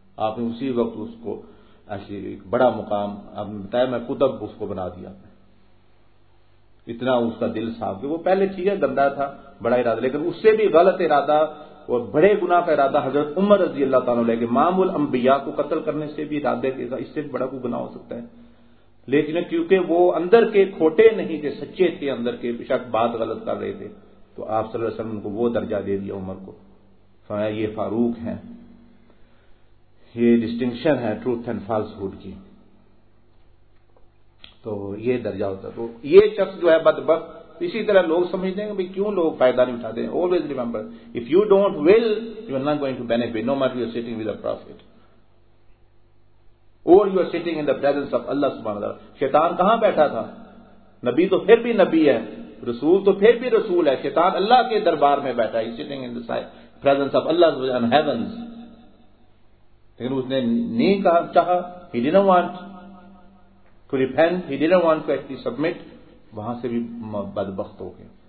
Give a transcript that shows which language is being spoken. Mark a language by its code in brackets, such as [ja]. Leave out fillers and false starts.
[ur] آپ نے اسی وقت اس کو ایسے ایک بڑا مقام آپ نے بتایا, میں قطب اس کو بنا دیا, اتنا اس کا دل صاف, وہ پہلے ٹھیک ہے گندا تھا بڑا ارادہ, لیکن اس سے بھی غلط ارادہ اور بڑے گناہ کا ارادہ حضرت عمر رضی اللہ تعالیٰ لے کے, مام الانبیاء کو قتل کرنے سے بھی ارادہ کیا, اس سے بڑا کوئی گناہ ہو سکتا ہے؟ لیکن کیونکہ وہ اندر کے کھوٹے نہیں تھے, سچے تھے اندر کے, بشک بات غلط کر رہے تھے, تو آپ صلی اللہ علیہ وسلم کو وہ درجہ دے دیا عمر کو, فرمایا یہ فاروق ہیں. یہ ڈسٹنکشن ہے [en] truth and falsehood [ur] کی, تو یہ درجہ ہوتا. تو یہ شخص جو ہے بدبخت, اسی طرح لوگ سمجھتے ہیں کہ کیوں لوگ فائدہ نہیں اٹھاتے ہیں. [en] Always remember, if you don't will, you are not going to benefit, no matter you are sitting with a prophet or you are sitting in the presence of Allah سبحانہ وتعالی. [ur] شیطان کہاں بیٹھا تھا؟ نبی تو پھر بھی نبی ہے, رسول تو پھر بھی رسول ہے, شیطان اللہ کے دربار میں بیٹھا ہے, [en] sitting in the presence of Allah in heavens. [ur] لیکن اس نے نہیں کہا, چاہا, [en] he didn't want to repent, he didn't want to actually submit, [ur] وہاں سے بھی بدبخت ہو گئے.